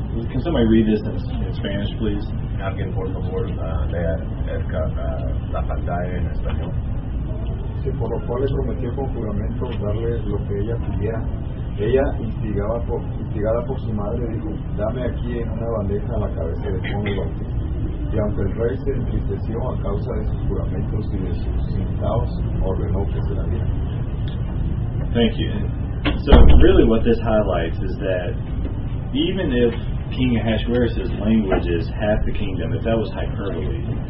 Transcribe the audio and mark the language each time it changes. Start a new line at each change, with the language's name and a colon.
English: Can somebody read this in Spanish, please?
Spanish: Alguien por favor lea acerca la pantalla en español. Que por lo cual le prometió con juramento darle lo que ella pidiera. Ella, instigada por su madre, dijo, dame aquí en una bandeja la cabeza de Juan el Bautista. Y aunque el rey se entristeció a causa de sus juramentos y de sus incitados, ordenó que se la diera.
English: Thank you. So, really what this highlights is that even if King Ahasuerus' language is half the kingdom, if that was hyperbole.